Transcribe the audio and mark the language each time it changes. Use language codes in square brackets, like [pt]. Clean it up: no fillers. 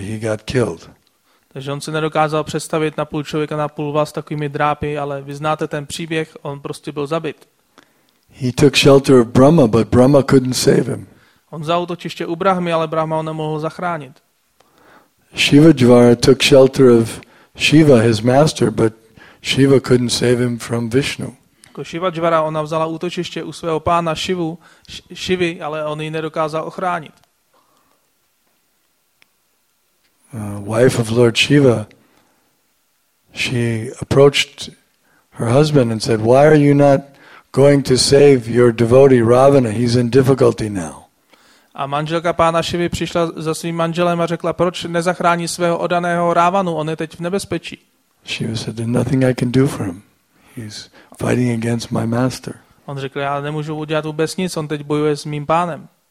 [en] He got killed. [cs] Takže on si nedokázal představit na půl člověka, na půl vás takovými drápy, ale vy znáte ten příběh, on prostě byl zabit. [en] He took shelter of Brahma, but Brahma couldn't save him. [cs] On vzal útočiště u Brahmy, ale Brahma ho nemohl zachránit. [en] Shivajvara took shelter of Shiva, his master, but Shiva couldn't save him from Vishnu. [cs] Shivajvara, ona vzala útočiště u svého pána Shivu, Shivy, ale on ji nedokázal ochránit. [en] Wife of Lord Shiva, she approached her husband and said, "Why are you not going to save your devotee Ravana? He's in difficulty now." [cs] A manželka pána Shivy přišla za svým manželem a řekla, proč nezachrání svého odaného Ravanu? On je teď v nebezpečí. [en] Shiva said, "There's nothing I can do for him. He's fighting against my master." [cs] On řekl, já nemůžu udělat vůbec nic, on teď bojuje s mým pánem.